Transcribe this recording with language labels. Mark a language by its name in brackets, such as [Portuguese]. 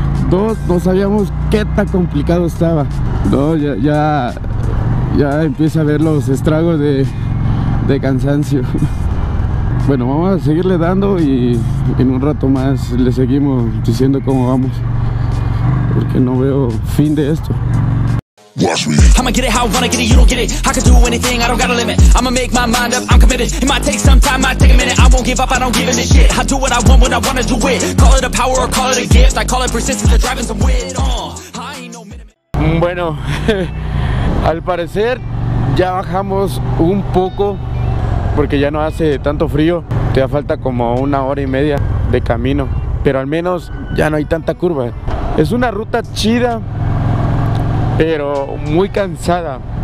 [Spanish] Dos, no sabíamos qué tan complicado estaba. No, ya empieza a ver los estragos de cansancio. Bueno, vamos a seguirle dando y en un rato más le seguimos diciendo cómo vamos, porque no veo fin de esto. [English] I'ma get it how I wanna get it, you don't get it. I can do anything, I don't got a limit. I'ma make my mind up, I'm committed. It might take some time, might take a minute. I won't give up, I don't give a shit. I do what I want when I wanna do it. Call it a power or call it a gift. I call it persistence, driving some wit. I ain't no minimum. [Spanish] Bueno, al parecer ya bajamos un poco porque ya no hace tanto frío. Te da falta como 1 hora y media de camino, pero al menos ya no hay tanta curva. Es una ruta chida, pero muy cansada.